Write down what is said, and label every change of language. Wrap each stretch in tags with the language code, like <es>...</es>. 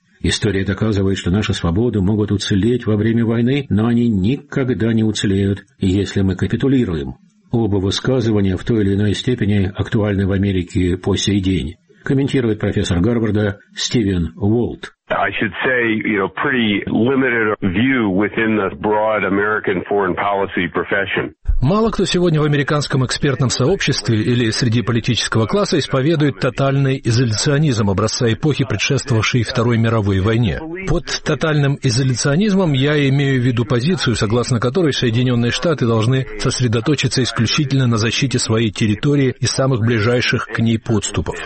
<ru>История доказывает, что наши свободы могут уцелеть во время войны, но они никогда не уцелеют, если мы капитулируем. Оба высказывания в той или иной степени актуальны в Америке по сей день, комментирует профессор Гарварда Стивен Уолт.</ru> <en>I should say, you know, pretty limited view within the broad American foreign policy profession.</en> <ru>Мало кто сегодня в американском экспертном сообществе или среди политического класса исповедует тотальный изоляционизм образца эпохи, предшествовавшей Второй мировой войне. Под тотальным изоляционизмом я имею в виду позицию, согласно которой Соединенные Штаты должны сосредоточиться исключительно на защите своей территории и самых ближайших к ней подступов.</ru>